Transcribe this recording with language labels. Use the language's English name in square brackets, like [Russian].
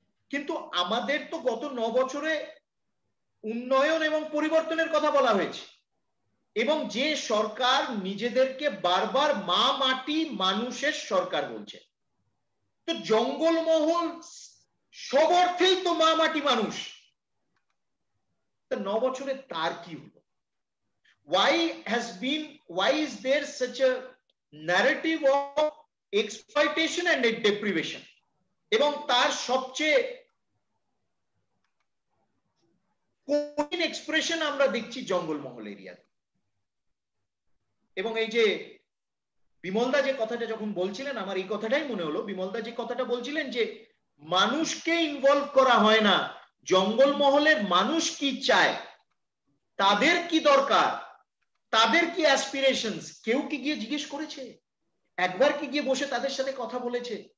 [Bangla] কিন্তু আমাদের তো গত 9 বছরে উন্নয়ন এবং পরিবর্তনের কথা বলা হয়েছে, এবং যে সরকার নিজেদেরকে বারবার মা মাটি মানুষের সরকার বলছে, তো জঙ্গলমহল সবার্থেই তো মা মাটি মানুষ, 9 বছরে তার কি হলো? [English] Why is there such a narrative of exploitation and deprivation? [Bangla] এবং তার সবচেয়ে কঠিন এক্সপ্রেশন আমরা দেখছি জঙ্গলমহল এরিয়াতে। এবং এই যে বিমলদা যে কথাটা যখন বলছিলেন, আমার এই কথাটাই মনে হলো, বিমলদা যে কথাটা বলছিলেন যে মানুষকে ইনভলভ করা হয় না, জঙ্গলমহলের মানুষ কি চায়, তাদের কি দরকার, তাদের কি অ্যাসপিরেশনস, কেউ কি গিয়ে জিজ্ঞেস করেছে, একবার কি গিয়ে বসে তাদের সাথে কথা বলেছে?